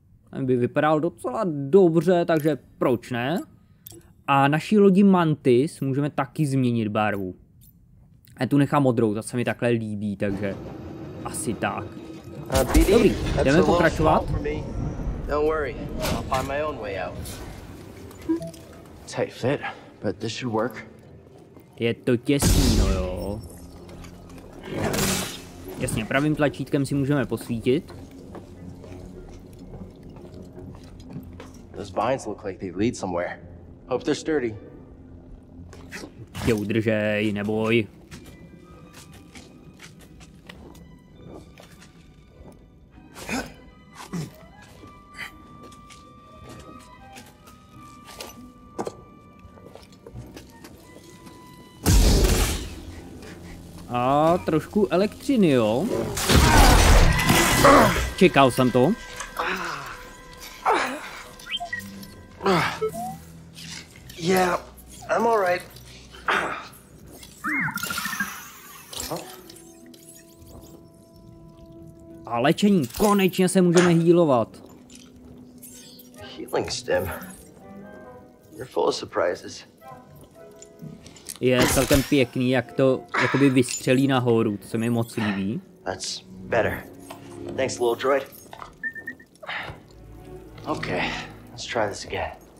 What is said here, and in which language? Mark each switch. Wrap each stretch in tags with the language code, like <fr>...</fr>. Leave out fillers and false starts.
<cs>Ten by vypadal docela dobře, takže proč ne? A naší lodi Mantis můžeme taky změnit barvu. A tu nechám modrou, ta se mi takhle líbí, takže asi tak. BD, dobrý, jdeme pokračovat.</cs> <en>Don't worry. I'll find my own way out. Tight fit, but this should work.</en> <cs>Je to těsný, no jo. Jasně, pravým tlačítkem si můžeme posvítit.</cs> <en>Those vines look like they lead somewhere. Hope they're sturdy.</en> <cs>Tě udržej, neboj. A trošku elektřiny, jo? Čekal jsem to.</cs> <en>Yeah, I'm all right.</en> <cs>A léčení, konečně se můžeme healovat.</cs> <en>Healing stem. You're full of surprises.</en> <cs>Je celkem pěkný, jak to jakoby vystřelí nahoru, to se mi moc líbí.</cs> <en>That's better. Thanks, little droid. Okay, let's try this again.</en>